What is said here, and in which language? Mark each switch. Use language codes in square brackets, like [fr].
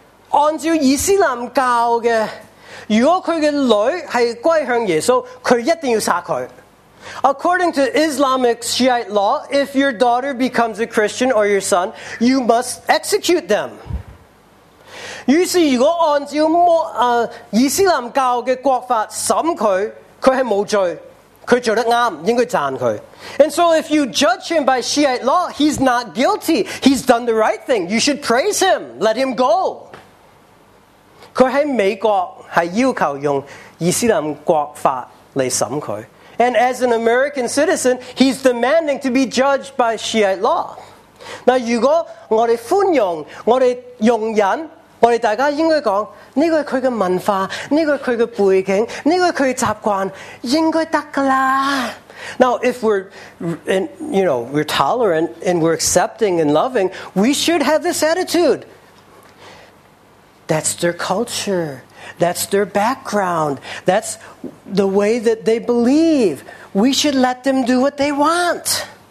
[zh] 按照伊斯兰教的，如果他的女儿是归向耶稣，他一定要杀他。 [en] According to Islamic Shiite law, if your daughter becomes a Christian or your son, you must execute them. [zh] 于是如果按照伊斯兰教的国法审他，他是无罪，他做得对，应该赞他。 [en] And so if you judge him by Shiite law, he's not guilty. He's done the right thing. You should praise him. Let him go. [zh] 他在美国是要求用伊斯兰国法来审他。 [en] And as an American citizen, he's demanding to be judged by Shiite law. [zh] 那如果我们宽容，我们容忍，我们大家应该说，这个是他的文化，这个是他的背景，这个是他的习惯，应该可以了。 [en] Now, if we're, you know, we're tolerant and we're accepting and loving, we should have this attitude. That's their culture. That's their background. That's the way that they believe. We should let them do what they want.